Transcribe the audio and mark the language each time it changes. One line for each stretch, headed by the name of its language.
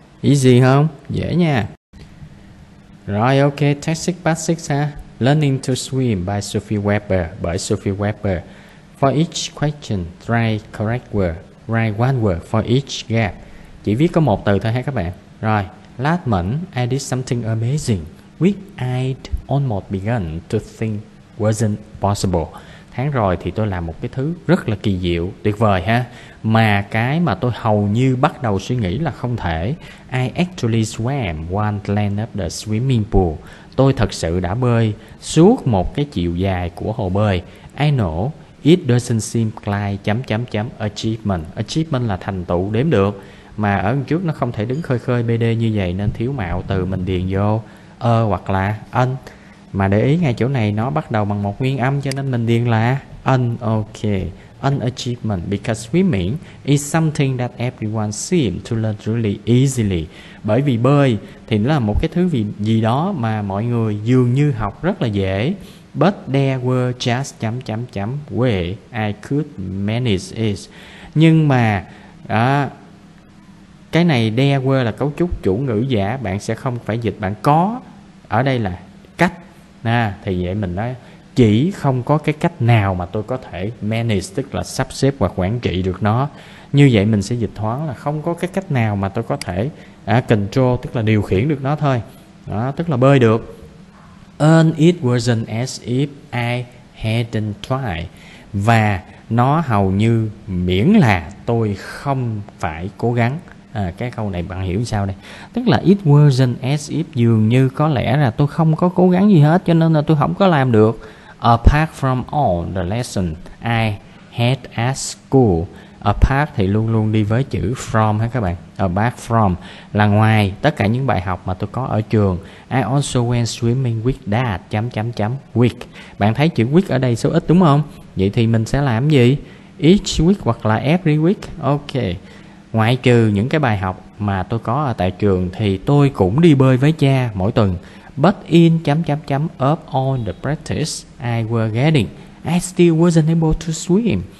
Vietnamese: Easy không? Dễ nha. Rồi, ok, text 6, part 6 ha.
English: Learning to Swim by Sophie Weber, by Sophie Weber. For each question, try correct word. Write one word for each gap.
Vietnamese: Chỉ viết có một từ thôi ha các bạn.
English: Rồi, last month, I did something amazing, which I'd almost begun to think wasn't possible.
Vietnamese: Tháng rồi thì tôi làm một cái thứ rất là kỳ diệu, tuyệt vời ha. Mà cái mà tôi hầu như bắt đầu suy nghĩ là không thể.
English: I actually swam one length of the swimming pool.
Vietnamese: Tôi thật sự đã bơi suốt một cái chiều dài của hồ bơi.
English: I know it doesn't seem like ...achievement.
Vietnamese: Achievement là thành tựu đếm được. Mà ở trước nó không thể đứng khơi khơi bê đê như vậy, nên thiếu mạo từ mình điền vô ơ hoặc là an. Mà để ý ngay chỗ này nó bắt đầu bằng một nguyên âm, cho nên mình điền là an.
English: Ok, an achievement, because swimming is something that everyone seems to learn really easily.
Vietnamese: Bởi vì bơi thì nó là một cái thứ gì đó mà mọi người dường như học rất là dễ.
English: But there were just way I could manage it.
Vietnamese: Nhưng mà cái này
English: there were
Vietnamese: là cấu trúc chủ ngữ giả, bạn sẽ không phải dịch bạn có, ở đây là cách. Nà, thì vậy mình nói chỉ không có cái cách nào mà tôi có thể manage, tức là sắp xếp và quản trị được nó. Như vậy mình sẽ dịch thoáng là không có cái cách nào mà tôi có thể control, tức là điều khiển được nó thôi. Đó, tức là bơi được.
English: And it wasn't as if I hadn't tried.
Vietnamese: Và nó hầu như miễn là tôi không phải cố gắng. Cái câu này bạn hiểu sao đây? Tức là
English: it wasn't as if,
Vietnamese: dường như có lẽ là tôi không có cố gắng gì hết, cho nên là tôi không có làm được.
English: Apart from all the lessons I had at school.
Vietnamese: Apart thì luôn luôn đi với chữ from ha các bạn. Apart from là ngoài tất cả những bài học mà tôi có ở trường.
English: I also went swimming with dad ...week.
Vietnamese: Bạn thấy chữ week ở đây số ít đúng không? Vậy thì mình sẽ làm gì?
English: Each week
Vietnamese: hoặc là
English: every week.
Vietnamese: Ok, ngoại trừ những cái bài học mà tôi có ở tại trường thì tôi cũng đi bơi với cha mỗi tuần.
English: But in ...of all the practice I were getting, I still wasn't able to swim.